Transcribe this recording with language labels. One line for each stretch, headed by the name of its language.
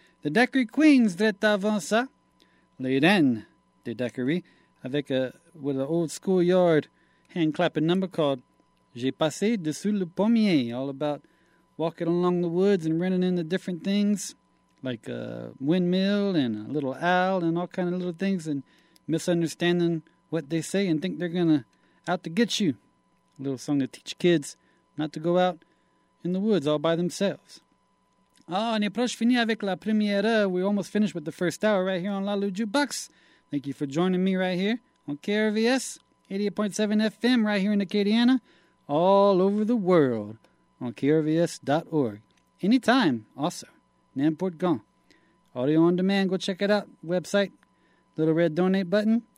English: The Daiquiri Queens, Drella,
French: avant ça.
English: Les Rennes de Daiquiri, avec with an old schoolyard hand-clapping number called J'ai passé dessous le pommier, all about walking along the woods and running into different things, like a windmill and a little owl and all kind of little things, and misunderstanding what they say and think they're going to out to get you. A little song to teach kids not to go out in the woods all by themselves.
French: Oh, on est proche fini avec la première.
English: We almost finished with the first hour right here on La Lou Jukebox. Thank you for joining me right here on KRVS, 88.7 FM, right here in Acadiana, all over the world, on KRVS.org. Anytime, also,
French: n'importe quand.
English: Audio on demand, go check it out, website, little red donate button.